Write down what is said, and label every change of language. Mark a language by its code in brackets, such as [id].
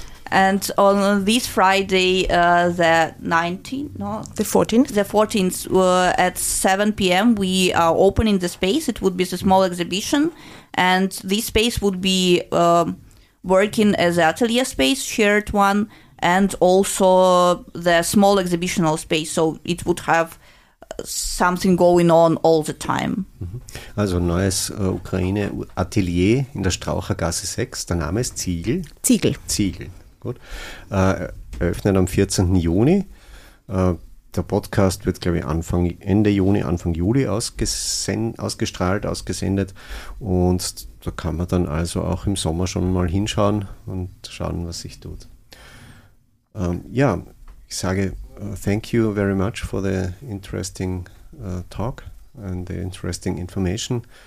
[en] And on this Friday, the 14th, at 7 p.m., we are opening the space. It would be a small exhibition, and this space would be working as an atelier space, shared one, and also the small exhibitional space, so it would have something going on all the time. [de] Also neues Ukraine-Atelier in der Strauchergasse 6, der Name ist Ziegel. Ziegel. Ziegel, gut. Eröffnet am 14. Juni. Der Podcast wird, glaube ich, Ende Juni, Anfang Juli ausgesendet. Und da kann man dann also auch im Sommer schon mal hinschauen und schauen, was sich tut. Ja, ich sage [en] thank you very much for the interesting talk and the interesting information.